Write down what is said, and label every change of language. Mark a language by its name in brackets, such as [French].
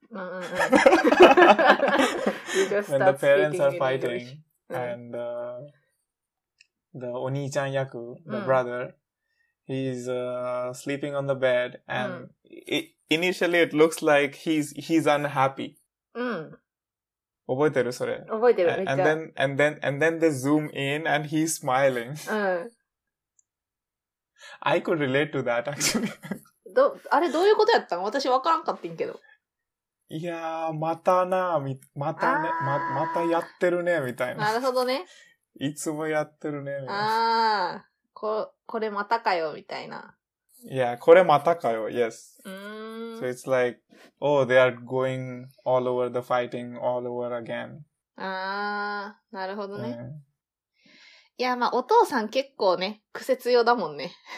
[English] when the parents are fighting, and、the [Japanese] お兄ちゃん役、 [English] うん、the brother, he's、sleeping on the bed, and、うん、initially it looks like he's unhappy.、 [Japanese] うん、覚えてるそれ。覚えてるめっちゃ。 [English] And then they zoom in and he's smiling. うん。 I could relate to that actually. [Japanese] あれどういうことやったの？私わからんかってんけど。いやー、またなー、またね、またやってるねみたいな。なるほどね。いつもやってるねみたいな。あー、これまたかよみたいな。いや、これまたかよ、yes. うーん。 [English] So it's like, oh, they are going all over the fighting all over again. [Japanese] あー、なるほどね。いや、まあ、お父さん結構ね、癖強だもんね。